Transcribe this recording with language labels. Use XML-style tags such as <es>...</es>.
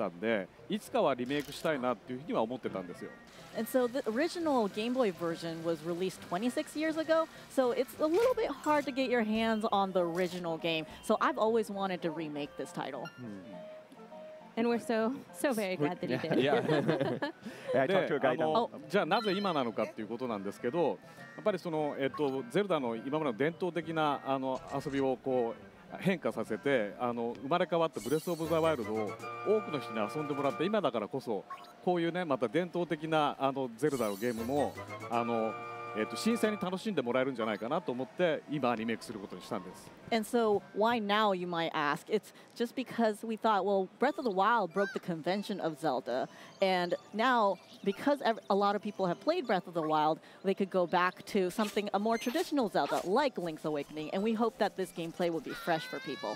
<ja>あの、なかなかそれを遊べる機会も減ってきてたんで、いつかはリメイクしたいなっていうふうには思ってたんですよ。</ja> <en>And so the original Game Boy version was released 26 years ago, so it's a little bit hard to get your hands on the original game. So I've always wanted to remake this title. And we're so very glad that you did. Yeah. I talked to a guy now.</en> <ja>じゃあなぜ今なのかっていうことなんですけど、やっぱりそのゼルダの今までの伝統的な遊びをこう 変化させて、生まれ変わったブレス・オブ・ザ・ワイルドを多くの人に遊んでもらって、今だからこそ、こういうね、また伝統的なゼルダのゲームも、新鮮に楽しんでもらえるんじゃないかなと思って、今、リメイクすることにしたんです。</ja> <en>And so, why now, you might ask? It's just because we thought, well, Breath of the Wild broke the convention of Zelda, and now, because a lot of people have played Breath of the Wild, they could go back to something, a more traditional Zelda, like Link's Awakening, and we hope that this gameplay will be fresh for people.</en>